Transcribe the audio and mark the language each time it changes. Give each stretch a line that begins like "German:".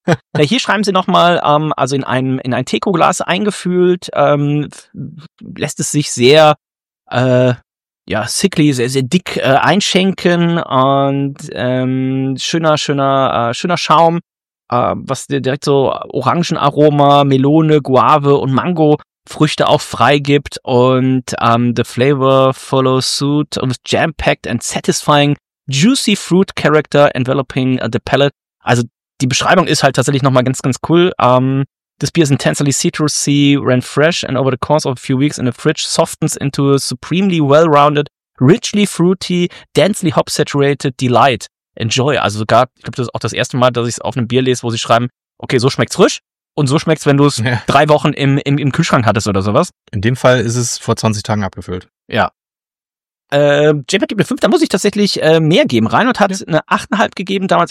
German: Na, hier schreiben sie nochmal, also in ein Teko-Glas eingefühlt, lässt es sich sehr ja, sickly, sehr, sehr dick einschenken und schöner Schaum, was direkt so Orangenaroma, Melone, Guave und Mango Früchte auch freigibt und
English: the flavor follows suit of jam-packed and satisfying juicy fruit character enveloping the palate.
German: Also die Beschreibung ist halt tatsächlich nochmal ganz, ganz cool.
English: This beer is intensely citrusy, ran fresh and over the course of a few weeks in the fridge softens into a supremely well-rounded, richly fruity, densely hop-saturated delight. Enjoy.
German: Also sogar, ich glaube, das ist auch das erste Mal, dass ich es auf einem Bier lese, wo sie schreiben, okay, so schmeckt's frisch. Und so schmeckt's, wenn du es drei Wochen im Kühlschrank hattest oder sowas. In dem Fall ist es vor 20 Tagen abgefüllt. Ja. JPEG gibt eine 5, da muss ich tatsächlich mehr geben. Reinhold hat eine 8,5 gegeben damals.